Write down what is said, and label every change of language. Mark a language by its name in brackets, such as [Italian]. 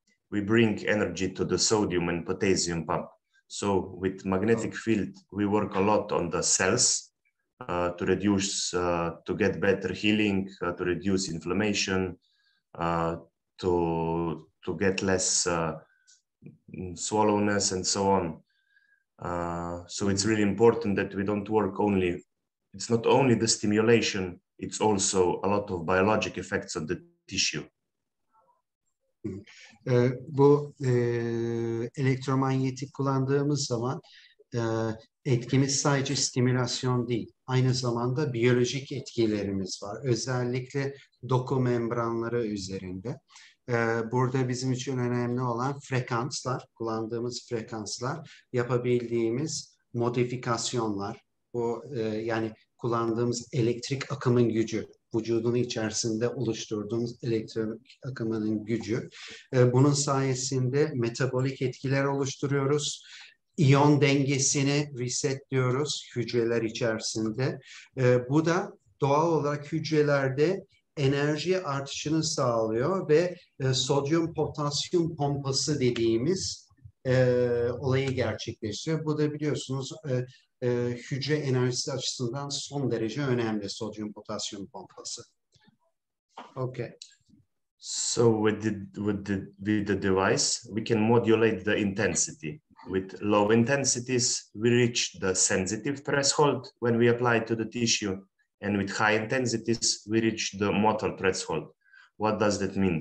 [English] We bring energy to the sodium and potassium pump. So with magnetic field, we work a lot on the cells to reduce, to get better healing, to reduce inflammation, to get less swollenness and so on. So it's really important that we don't work only, it's not only the stimulation, it's also a lot of biologic effects on the tissue. [Turkish] Bu elektromanyetik kullandığımız zaman etkimiz sadece stimülasyon değil, aynı zamanda biyolojik etkilerimiz var. Özellikle doku membranları üzerinde. Burada bizim için önemli olan frekanslar, kullandığımız frekanslar, yapabildiğimiz modifikasyonlar. Bu yani kullandığımız elektrik akımın gücü, vücudun içerisinde oluşturduğumuz elektrik akımının gücü. Bunun sayesinde metabolik etkiler oluşturuyoruz. İyon dengesini resetliyoruz hücreler içerisinde. Bu da doğal olarak hücrelerde enerji artışını sağlıyor ve sodyum potasyum pompası dediğimiz olayı gerçekleştiriyor. Bu da biliyorsunuz hücre enerjisi açısından son derece önemli, sodyum potasyum pompası. [English] Okay. So with the device we can modulate the intensity. With low intensities we reach the sensitive threshold when we apply to the tissue, and with high intensities, we reach the motor threshold. What does that mean?